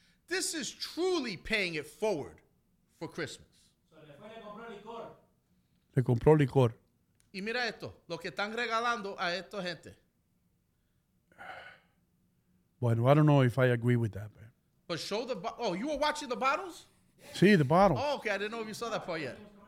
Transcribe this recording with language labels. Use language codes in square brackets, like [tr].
[en] This is truly paying it forward for Christmas. [es] So después le compró licor. Le compró licor. Y mira esto, lo que están regalando a esta gente. [en] Bueno, I don't know if I agree with that, man. But show the bottles. Oh, you were watching the bottles? Sí, the bottles. Oh, okay, I didn't know if you saw that part yet.